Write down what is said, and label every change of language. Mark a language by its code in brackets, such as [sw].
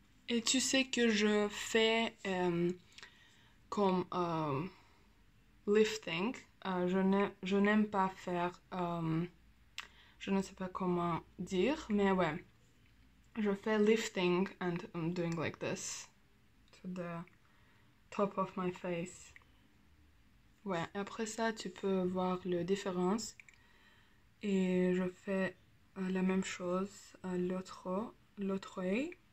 [fr] Et tu sais que je fais comme lifting. Je n'aime pas faire. Je ne sais pas comment dire, mais ouais. Je fais [en] lifting and I'm doing like this to the top of my face. [fr] Ouais, et après ça, tu peux voir la différence. Et je fais la même chose à l'autre œil.